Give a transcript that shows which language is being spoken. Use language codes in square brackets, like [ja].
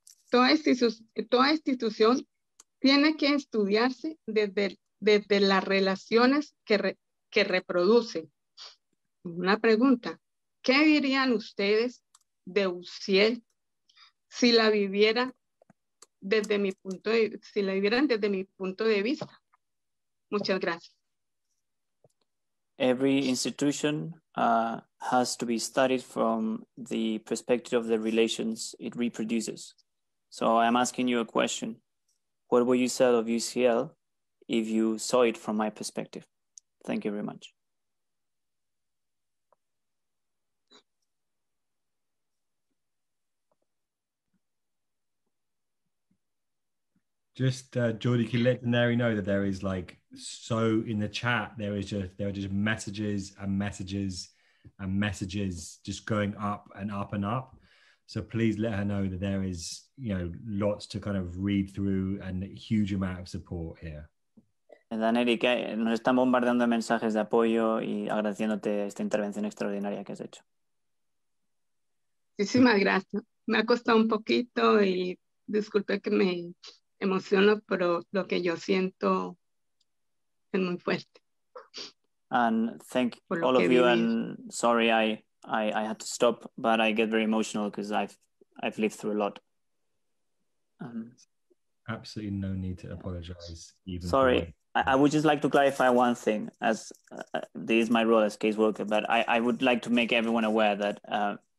[es] Toda institución tiene que estudiarse desde las relaciones que reproduce. Una pregunta, ¿qué dirían ustedes de UCL si la vivieran desde mi punto de, si la vivieran desde mi punto de vista? Muchas gracias. [en] Every institution has to be studied from the perspective of the relations it reproduces. So I'm asking you a question. What would you say of UCL if you saw it from my perspective? Thank you very much. Just Jordi, can you let Daneri know that there is like, so in the chat, there are just messages and messages and messages just going up and up and up. So please let her know that there is, you know, lots to kind of read through and a huge amount of support here. [es] Daneri, que nos están bombardeando mensajes de apoyo y agradeciéndote esta intervención extraordinaria que has hecho. Muchísimas gracias. Me ha costado un poquito y disculpe que me emociono, pero lo que yo siento es muy fuerte. [en] And thank all of you. And sorry, I had to stop, but I get very emotional because I've lived through a lot. Absolutely no need to apologize. Even sorry, I would just like to clarify one thing. As this is my role as caseworker, but I would like to make everyone aware that.